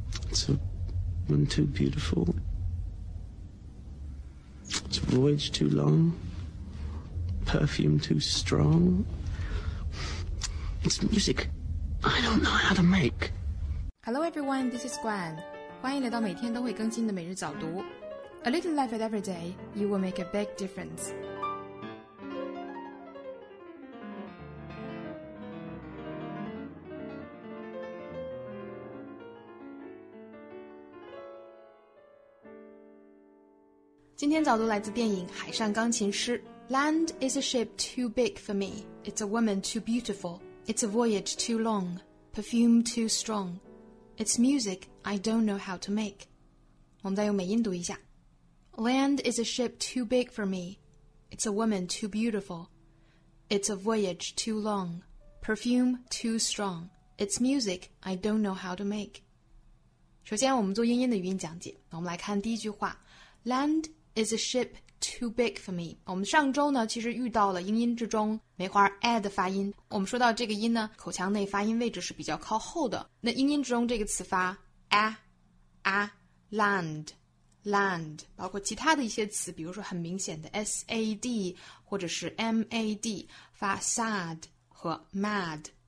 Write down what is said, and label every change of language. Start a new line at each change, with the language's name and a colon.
English: It's a one too beautiful. It's a voyage too long. Perfume too strong. It's music I don't know how to make. Hello everyone, this is Gwen.
Chinese: 欢迎来到每天都会更新的每日早读。
English: A little life at every day, you will make a big difference.
Chinese: 今天早读来自电影《海上钢琴师》。
English: Land is a ship too big for me. It's a woman too beautiful. It's a voyage too long. Perfume too strong. It's music I don't know how to make.
Chinese: 我们再用美音读一下。
English: Land is a ship too big for me. It's a woman too beautiful. It's a voyage too long. Perfume too strong. It's music I don't know how to make.
Chinese: 首先我们做英音的语音讲解。我们来看第一句话。
English: Land is a ship too big for me.
Chinese: 我们上周呢其实遇到了英音之中梅花 a 的发音。我们说到这个音呢口腔内发音位置是比较靠后的。那英音之中这个词发 a land, 包括其他的一些词比如说很明显的 sad, 或者是 mad, 发 sad 和 mad。